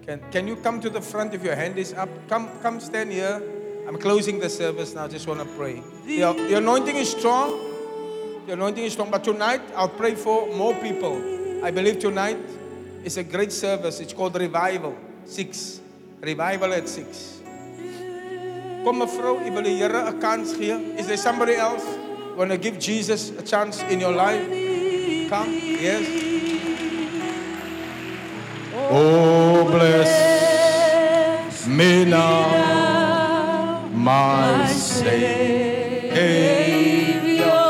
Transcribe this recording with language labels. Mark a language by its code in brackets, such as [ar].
[en] Can you come to the front if your hand is up? Come stand here. I'm closing the service now. I just want to pray. The anointing is strong. The anointing is strong. But tonight, I'll pray for more people. I believe tonight is a great service. It's called Revival 6. Revival at 6. [af] Kom mevrou, u wil die Here 'n kans gee. [en] Is there somebody else want to give Jesus a chance in your life? Come, yes. Oh, bless me now, my Savior.